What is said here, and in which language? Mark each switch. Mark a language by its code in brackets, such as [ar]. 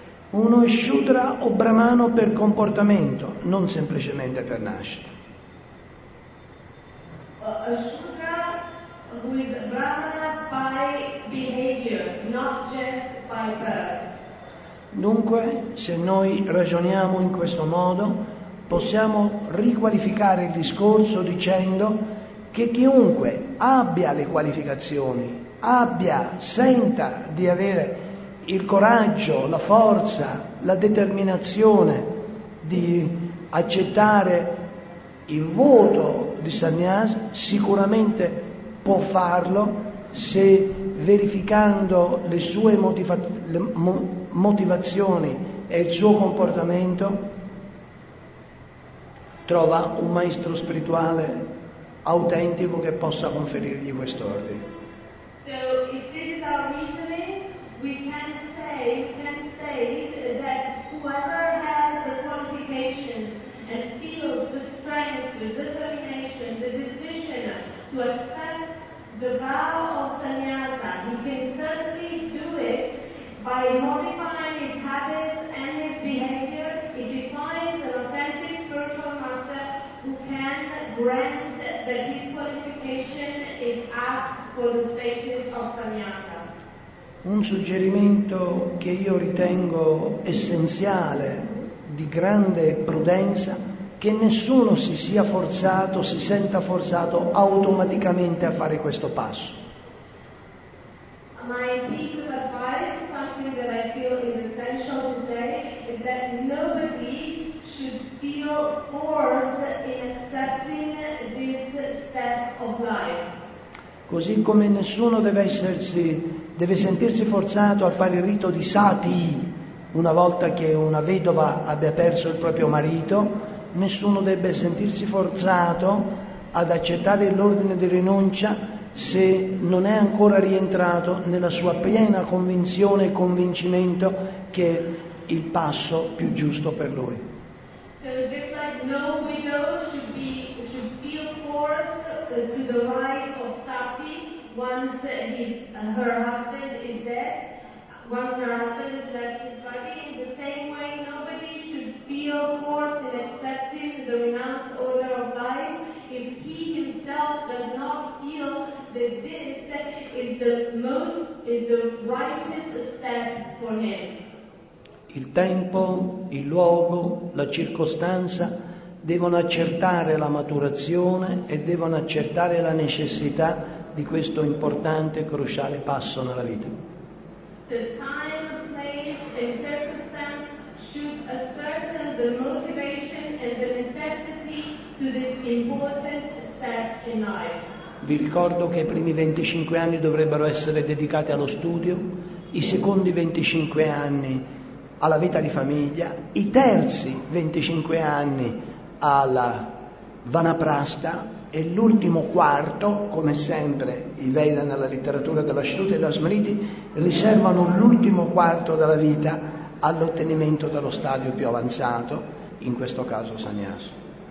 [it] uno è shudra o brahmano per comportamento, non semplicemente per nascita. [en] A shudra who is a brahmana by behavior, not just by birth. [it] Dunque, se noi ragioniamo in questo modo, possiamo riqualificare il discorso dicendo che chiunque abbia le qualificazioni, abbia, senta di avere il coraggio, la forza, la determinazione di accettare il voto di sannyasa sicuramente può farlo se, verificando le sue motivazioni e il suo comportamento, trova un maestro spirituale autentico che possa conferirgli quest'ordine. [en] So if this is our reasoning, we can say that whoever has the qualifications and feels the strength, the determination, the decision to accept the vow of sannyasa, he can certainly do it by modifying his habits and his behavior if he finds an authentic spiritual master who can grant that his qualification is up for the status of sannyasa. [it] Un suggerimento che io ritengo essenziale, di grande prudenza, che nessuno si sia forzato, si senta forzato automaticamente a fare questo passo. [en] My piece of advice, something that I feel is essential to say, is that nobody should feel forced in accepting this step of life. [it] Così come nessuno deve sentirsi forzato a fare il rito di sati una volta che una vedova abbia perso il proprio marito, nessuno debba sentirsi forzato ad accettare l'ordine di rinuncia se non è ancora rientrato nella sua piena convinzione e convincimento che è il passo più giusto per lui. [en] So just like no widow should feel forced to the right of sati once her husband is dead. Once her husband is left his body, in the same way, nobody should feel forced in accepting the renounced order of life if he himself does not feel that this is the rightest step for him. [it] Il tempo, il luogo, la circostanza devono accertare la maturazione e devono accertare la necessità di questo importante e cruciale passo nella vita. [en] The time, place, and circumstance should ascertain the motivation and the necessity to this important step in life. [it] Vi ricordo che i primi 25 anni dovrebbero essere dedicati allo studio, i secondi 25 anni alla vita di famiglia, i terzi 25 anni alla vanaprasta e l'ultimo quarto, come sempre i Veda nella letteratura della Shruti e della Smriti, riservano l'ultimo quarto della vita all'ottenimento dello stadio più avanzato, in questo caso sannyasa.